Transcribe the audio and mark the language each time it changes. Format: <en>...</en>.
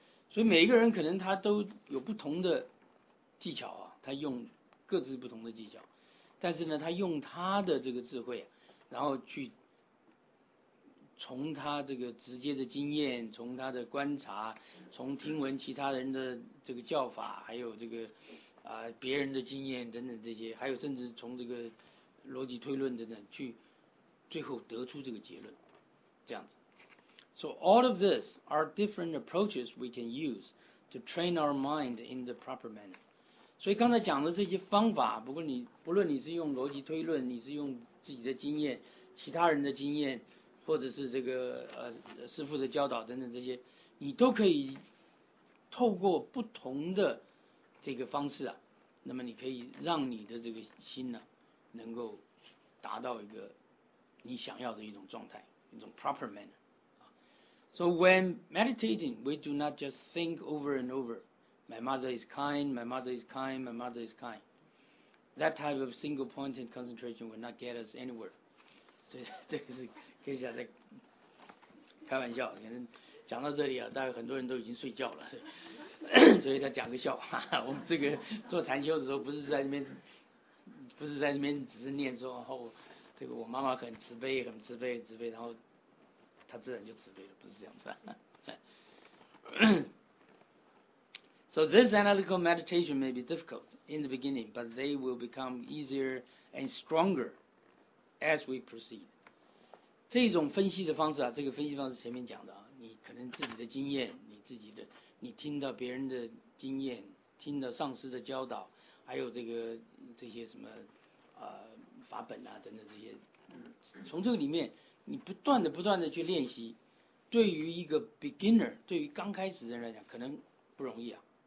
<zh>所以每一个人可能他都有不同的技巧啊，他用各自不同的技巧，但是呢，他用他的这个智慧，然后去从他这个直接的经验，从他的观察，从听闻其他人的这个教法，还有这个别人的经验等等这些，还有甚至从这个逻辑推论等等，去最后得出这个结论，这样子。</zh> <en>So all of this are different approaches we can use to train our mind in the proper manner.</en> <zh>所以刚才讲的这些方法，不论你是用逻辑推论，你是用自己的经验、其他人的经验，或者是这个师父的教导等等这些，你都可以透过不同的这个方式啊，那么你可以让你的这个心呢、啊，能够达到一个你想要的一种状态，一种</zh> <en>proper manner. So when meditating, we do not just think over and over, my mother is kind, my mother is kind, my mother is kind. That type of single pointed concentration will not get us anywhere.</en> <zh>这个是可以讲在开玩笑，可能讲到这里啊，大概很多人都已经睡觉了。所以他讲个笑话，我们这个做禅修的时候不是在那边只是念说，然后这个我妈妈很慈悲，很慈悲，慈悲，然后他自然就慈悲了，不是这样子。</zh> <en>So this analytical meditation may be difficult in the beginning, but they will become easier and stronger as we proceed.</en> <zh>这种分析的方式啊，这个分析方式前面讲的啊，你可能自己的经验，你自己的。你听到别人的经验，听到上师的教导，还有这个这些什么法本啊等等这些，从这个里面你不断的去练习，对于一个 beginner， 对于刚开始的人来讲可能不容易啊，</zh>